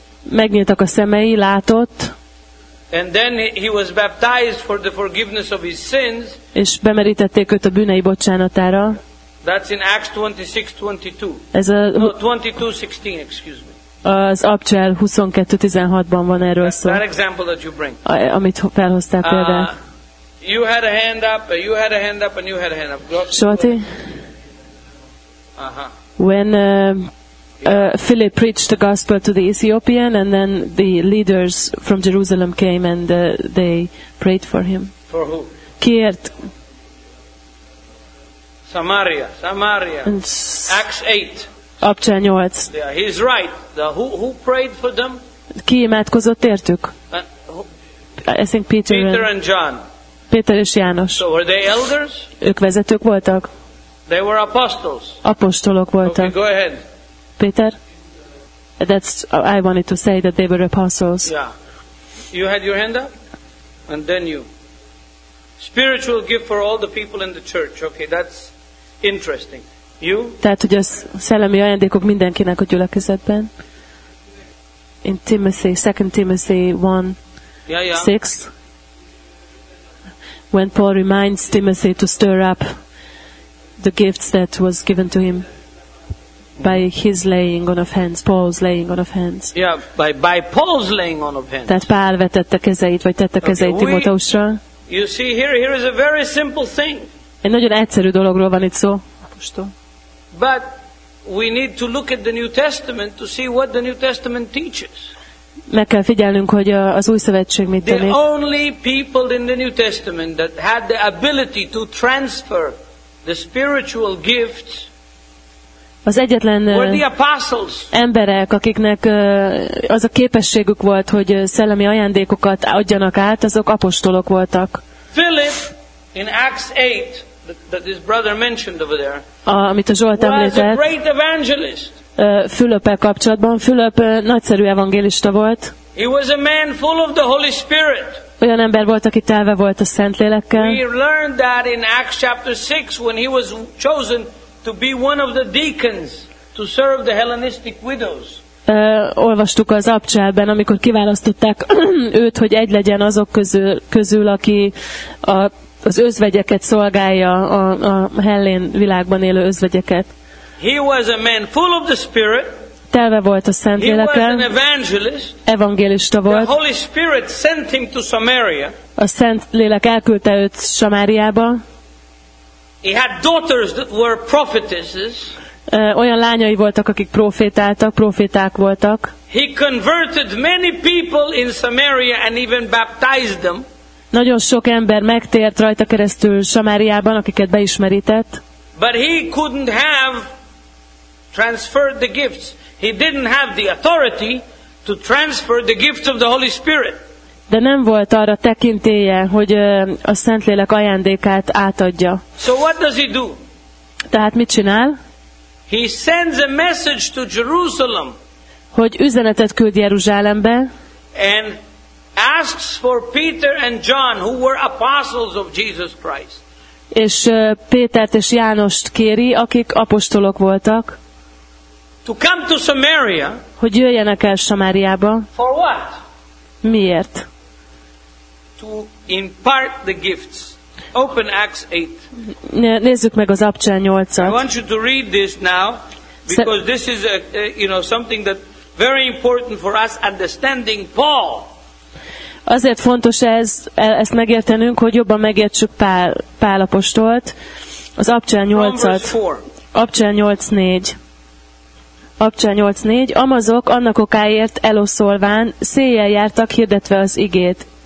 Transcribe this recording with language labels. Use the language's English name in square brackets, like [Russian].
[Hungarian] Megnyíltak a szemei, látott. [English] And then he was baptized for the forgiveness of his sins. [Hungarian] És bemerítették őt a bűnei bocsánatára. [English] That's in Acts 26:22. [Hungarian] Ez a [English] 22:16, excuse me. [Hungarian] Az Abcsel 22:16-ban van erről szó. [English] That example that you bring. [Hungarian] Amit felhoztál példát. [English] You had a hand up, you had a hand up, and you had a hand up. Shorty? When Philip preached the gospel to the Ethiopian, and then the leaders from Jerusalem came and they prayed for him. For who? [Hungarian] Kiért. [English] Samaria. Acts 8. [Hungarian] Abcsa 8. [English] Yeah, he's right. Who prayed for them? [Hungarian] Ki imádkozott értük? [English] I think Peter and John. [Hungarian] Péter és János. [English] So were they elders? [Hungarian] Ők vezetők voltak. [English] They were apostles. [Hungarian] Apostolok voltak. [English] Okay, go ahead. Peter? That's, I wanted to say that they were apostles. Yeah. You had your hand up? And then you. Spiritual gift for all the people in the church. Okay, that's interesting. You? [Hungarian] Tehát, hogy a szellemi ajándékok mindenkinek a gyülekezetben. [English] In Timothy, 2 Timothy 1. Six. When Paul reminds Timothy to stir up the gifts that was given to him by his laying on of hands, Paul's laying on of hands. Yeah, by Paul's laying on of hands. [Hungarian] Tehát Pál vetette kezeit, vagy tette kezeit Timoteusra. [English] You see, here is a very simple thing. [Hungarian] Egy nagyon egyszerű dologról van itt szó. [English] But we need to look at the New Testament to see what the New Testament teaches. [Hungarian] Meg kell figyelnünk, hogy az Új Szövetség mit tanít. [English] The only people in the New Testament that had the ability to transfer the spiritual gifts. [Hungarian] Az egyetlen emberek, akiknek az a képességük volt, hogy szellemi ajándékokat adjanak át, azok apostolok voltak. [English] Philip in Acts 8 that his brother mentioned over there. [Hungarian] Amit a Zsolt említett. [English] Was a great evangelist. [Hungarian] Fülöppel kapcsolatban. Fülöp nagyszerű evangélista volt. [English] He was a man full of the Holy Spirit. [Hungarian] Olyan ember volt, aki telve volt a Szentlélekkel. [English] We learned that in Acts chapter 6 when he was chosen to be one of the deacons to serve the Hellenistic widows. [Hungarian] Olvastuk az Abcselben, amikor kiválasztották őt, hogy egy legyen azok közül aki az özvegyeket szolgálja, a hellén világban élő özvegyeket. [English] He was a man full of the Spirit. [Hungarian] Telve volt a Szentlélekkel. [English] He was an evangelist. [Hungarian] Evangélista volt. [English] The Holy Spirit sent him to Samaria. [Hungarian] A Szentlélek elküldte őt Samáriába. [English] He had daughters that were prophetesses. [Hungarian] Olyan lányai voltak, akik proféták voltak. [English] He converted many people in Samaria and even baptized them. [Hungarian] Nagyon sok ember megtért rajta keresztül Samáriában, akiket beismerített. [English] But he couldn't have transferred the gifts. He didn't have the authority to transfer the gifts of the Holy Spirit. [Hungarian] De nem volt arra tekintélye, hogy a Szentlélek ajándékát átadja. [English] So what does he do? [Hungarian] Tehát mit csinál? [English] He sends a message to Jerusalem. [Hungarian] Hogy üzenetet küld Jeruzsálembe. [English] And asks for Peter and John, who were apostles of Jesus Christ. [Hungarian] És Pétert és Jánost kéri, akik apostolok voltak. [English] To come to Samaria. [Hungarian] Hogy jöjjenek el Samáriába. [English] For what? [Hungarian] Miért? [English] To impart the gifts. Open Acts 8. [Hungarian] Nézzük meg az Abcsa 8-at. [English] I want you to read this now because this is a you know something that very important for us understanding Paul. [Hungarian] Azért fontos ezt megértenünk, hogy jobban megértsük Pál apostolt. Az Abcsa 8-at. Abcsa 8:4. Amazok annak okáért eloszolván széllyel jártak hirdetve az igét.